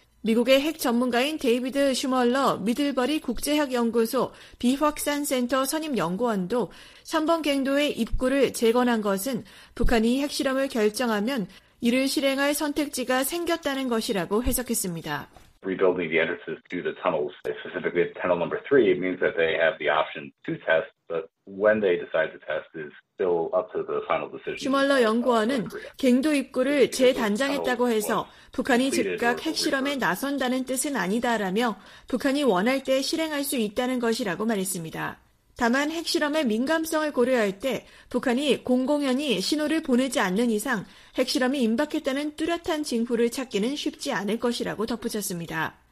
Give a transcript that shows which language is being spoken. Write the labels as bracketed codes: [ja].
[ko] 미국의 핵 전문가인 데이비드 슈멀러 미들버리 국제학연구소 비확산센터 선임 연구원도 3번 갱도의 입구를 재건한 것은 북한이 핵실험을 결정하면 이를 실행할 선택지가 생겼다는 것이라고 해석했습니다. [en] Rebuilding the entrances to the tunnels, specifically tunnel number 3, it means that they have the option to test, but when they decide to test is still up to the final decision. [ko] 슈멀러 연구원은 갱도 입구를 재단장했다고 해서 북한이 즉각 핵실험에 나선다는 뜻은 아니다라며 북한이 원할 때 실행할 수 있다는 것이라고 말했습니다. 다만 핵실험의 민감성을 고려할 때 북한이 공공연히 신호를 보내지 않는 이상 핵실험이 임박했다는 뚜렷한 징후를 찾기는 쉽지 않을 것이라고 덧붙였습니다.